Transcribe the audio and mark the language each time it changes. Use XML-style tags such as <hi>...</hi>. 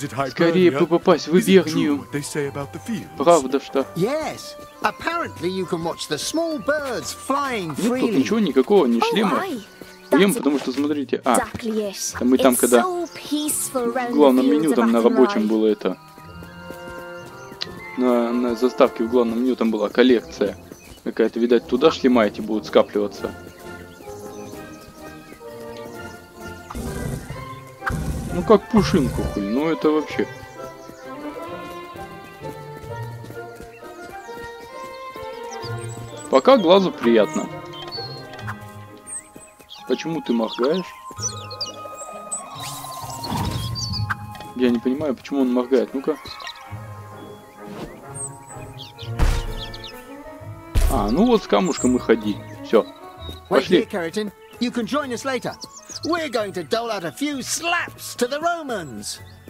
<ru>Скорее бы попасть в Ибернию. Правда, что?</ru> <en>Yes. Apparently you can watch the small birds flying freely.</en> <ru>Нет тут ничего, никакого, ни шлема. Ем, потому что, смотрите, это мы там, когда в главном меню, там на рабочем было это, на заставке в главном меню там была коллекция. Какая-то, видать, туда шлема эти будут скапливаться. Ну как пушинку, хуй, ну это вообще. Пока глазу приятно. Почему ты моргаешь? Я не понимаю, почему он моргает. Ну-ка. А, ну вот с камушком и ходи. Все. Пошли.</ru> <en>Keratin, you can join us later. We're going to dole out a few slaps to the Romans.</en>